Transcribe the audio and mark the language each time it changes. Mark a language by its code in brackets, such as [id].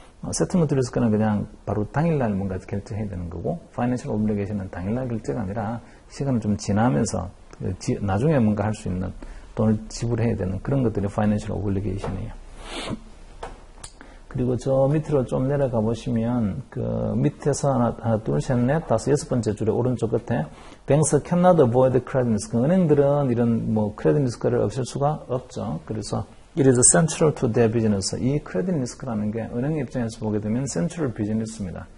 [ko] 세트먼트 리스크는 그냥 바로 당일날 뭔가 결제해야 되는 거고, 파이낸셜 오블리게이션은 당일날 결제가 아니라 시간을 좀 지나면서 나중에 뭔가 할수 있는, 돈을 지불해야 되는 그런 것들이 파이낸셜 오블리게이션이에요. 그리고 저 밑으로 좀 내려가 보시면 그 밑에서 하나 둘 셋 넷 다섯 여섯 번째 줄의 오른쪽 끝에 [en] Banks cannot avoid credit risk. [ko] 은행들은 이런 뭐 credit risk를 없앨 수가 없죠. [en] 그래서 It is central to their business. [ko] 이 credit risk라는 게 은행 입장에서 보게 되면 central business입니다.